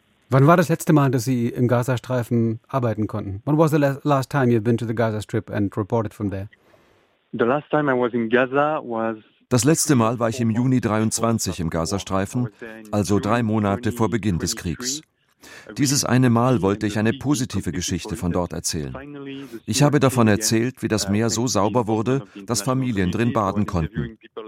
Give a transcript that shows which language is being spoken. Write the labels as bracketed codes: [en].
[de] Wann war das letzte Mal, dass Sie im Gazastreifen arbeiten konnten? [en] When was the last time you've been to the Gaza Strip and reported from there? The last time I was in Gaza was... [de] Das letzte Mal war ich im Juni 23 im Gazastreifen, also 3 Monate vor Beginn des Kriegs. Dieses eine Mal wollte ich eine positive Geschichte von dort erzählen. Ich habe davon erzählt, wie das Meer so sauber wurde, dass Familien drin baden konnten.